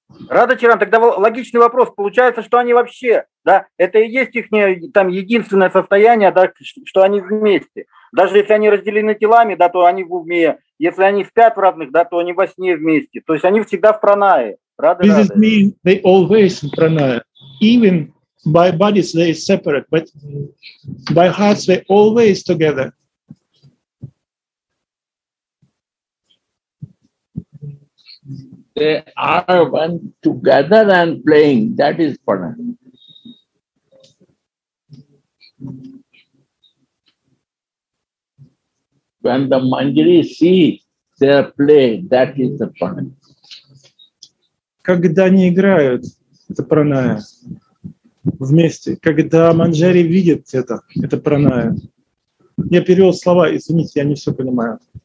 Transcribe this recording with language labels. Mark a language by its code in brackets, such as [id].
[ru] Рада Чиран, тогда логичный вопрос. Получается, что они вообще, да, это и есть их там единственное состояние, да, что они вместе. Даже если они разделены телами, да, то они в уме. Если они спят в разных, да, то они во сне вместе. То есть они всегда в пранае. [en] This is mean they always in pranaya. Even by bodies they separate, but by hearts they always together. They are one together and playing. That is pranaya. When the manjari see their play, that is the pranaya. [ru] Когда они играют, это праная. Вместе. Когда манджари видят это праная. Я перевел слова, извините, я не все понимаю.